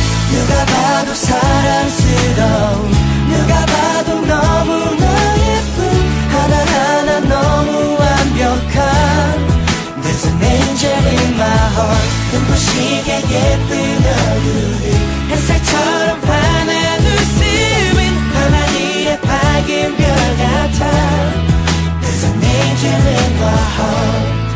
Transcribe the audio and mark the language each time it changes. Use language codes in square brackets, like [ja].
[ko] 누가 봐도 사랑스러운, 누가 봐도 너무나 예쁜, 하나하나 너무 완벽한. [en] There's an angel in my heart. [ko] 눈부시게 예쁜 얼굴이 햇살처럼 환한 웃음은 하나님의 밝은 별 같아. [en] There's an angel in my heart.